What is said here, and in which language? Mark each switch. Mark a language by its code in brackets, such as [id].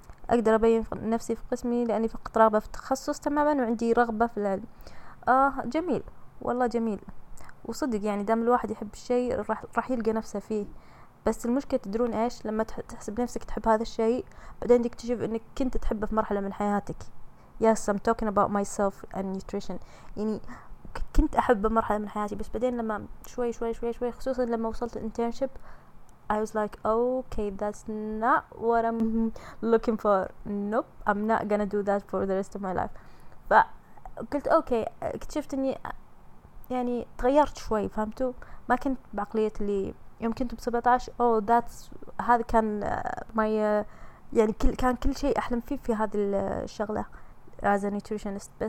[ar] أقدر أبين نفسي في قسمي لأني فقط رغبة في التخصص تماما وعندي رغبة في العلم. جميل والله جميل، وصدق يعني دام الواحد يحب الشيء راح يلقى نفسه فيه. بس المشكلة تدرون إيش؟ لما تحسب نفسك تحب هذا الشيء، بعدين تكتشف إنك كنت تحبه في مرحلة من حياتك. [en] Yes, I'm talking about myself and nutrition. [ar] يعني كنت أحبه مرحلة من حياتي، بس بعدين لما شوي شوي شوي شوي، خصوصا لما وصلت [en] internship, I was like, okay, that's not what I'm looking for. Nope, I'm not gonna do that for the rest of my life. [ar] فقلت [en] okay, [ar] اكتشفت إني يعني تغيرت شوي، فهمتوا؟ ما كنت بعقلية اللي يوم كنت ب17 [en] oh that's [ar] هذا كان [en] my [ar] يعني كان كل شيء أحلم فيه في هذه الشغلة [en] as a nutritionist.